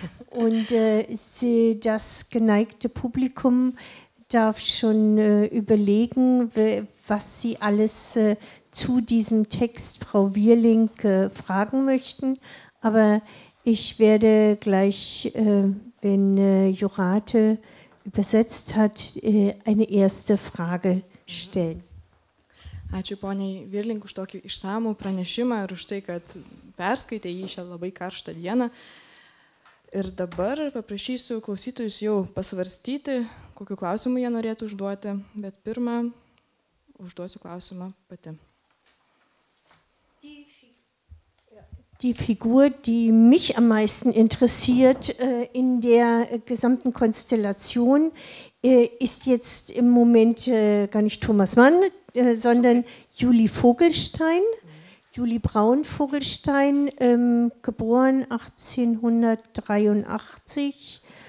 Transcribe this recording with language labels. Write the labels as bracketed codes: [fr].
[de] Und das geneigte Publikum darf schon überlegen, was Sie alles zu diesem Text Frau Wierling fragen möchten. Aber ich werde gleich, wenn Jurate übersetzt hat, eine erste Frage stellen. [lt] Ačiū poniai Wierling už tokį išsamų pranešimą ir už tai, kad perskaitė jį šią labai karštą dieną. Ir dabar paprašysiu klausytojus jau pasvarstyti, kokiu klausimu jie norėtų užduoti, bet pirmą užduosiu klausimą pati. [de] Die Figur, die mich am meisten interessiert in der gesamten Konstellation, ist jetzt im Moment gar nicht Thomas Mann, sondern Julie Vogelstein. Julie Braun Vogelstein, geboren 1883.